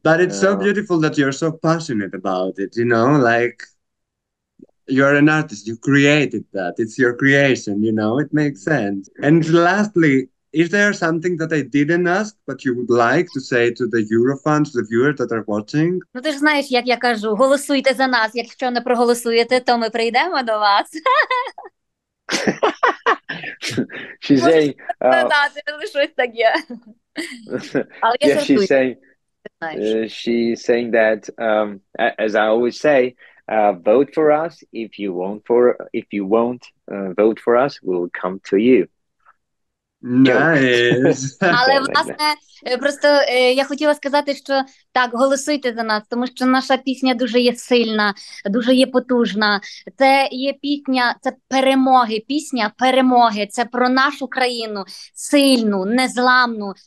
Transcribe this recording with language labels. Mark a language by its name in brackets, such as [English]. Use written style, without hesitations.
[English] But it's so beautiful that you're so passionate about it, you know, like you're an artist, you created that, it's your creation, you know, it makes sense. And lastly, is there something that I didn't ask, but you would like to say to the Eurofans, the viewers that are watching? [Ukrainian] Ну, ти ж знаєш, як я кажу, голосуйте за нас. Якщо не проголосуєте, то ми прийдемо до вас. [English] She's saying... she's saying that, as I always say, vote for us. If you won't vote for us, we'll come to you. Nice. [Ukrainian] Але, власне, просто я хотіла сказати, що так, голосуйте за нас, тому що наша пісня дуже є сильна, дуже є потужна. Це є пісня, це перемоги, пісня перемоги. Це про нашу країну, сильну, незламну.